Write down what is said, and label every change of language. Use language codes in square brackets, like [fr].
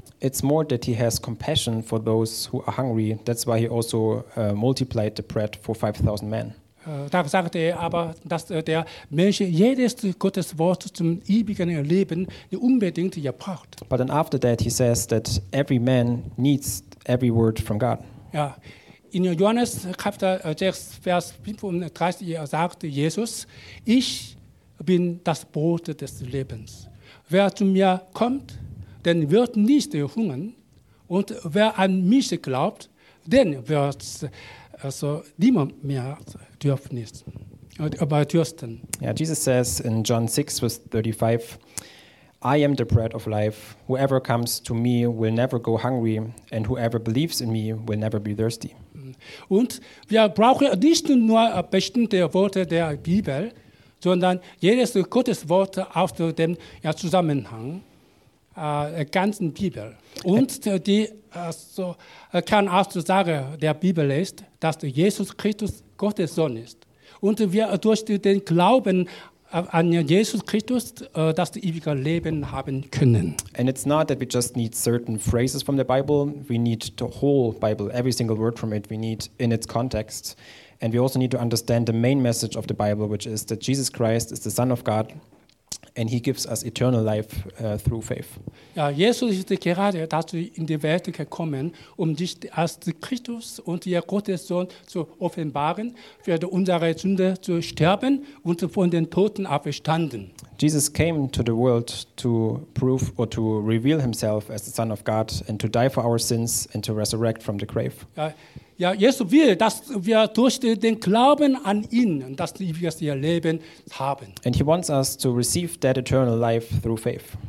[en] It's more that he has compassion for those who are hungry. That's why he also multiplied the bread for 5000 men. [de] Da sagt er aber, dass der Mensch jedes Gottes Wort zum ewigen Leben unbedingt braucht. [en] But then after that he says that every man needs every word from God. [de] Ja. In Johannes Kapitel 6, Vers 35 sagt Jesus, ich bin das Brot des Lebens. Wer zu mir kommt, den wird nicht hungern. Und wer an mich glaubt, den wird also niemand mehr dürsten. [en] Yeah, Jesus says in John 6, Vers 35, I am the bread of life. Whoever comes to me will never go hungry, and whoever believes in me will never be thirsty. [de] Und wir brauchen nicht nur bestimmte Worte der Bibel, sondern jedes Gottes Wort aus dem Zusammenhang der ganzen Bibel. Und die also, Kernaussage der Bibel ist, dass Jesus Christus Gottes Sohn ist. Und wir durch den Glauben an Jesus Christus das ewige Leben haben können. [en] And it's not that we just need certain phrases from the Bible, we need the whole Bible, every single word from it, we need in its context. And we also need to understand the main message of the Bible, which is that Jesus Christ is the Son of God and he gives us eternal life through faith. [de] Ja, Jesus ist gerade dazu in die Welt gekommen, um sich als Christus und ihr Gottes Sohn zu offenbaren, für unsere Sünde zu sterben und von den Toten auferstanden. [en] Jesus came to the world to prove or to reveal himself as the Son of God and to die for our sins and to resurrect from the grave. [de] Ja, ja, Jesus will, dass wir durch den Glauben an ihn das ewige Leben haben. [en] And he wants us to receive that eternal life through faith.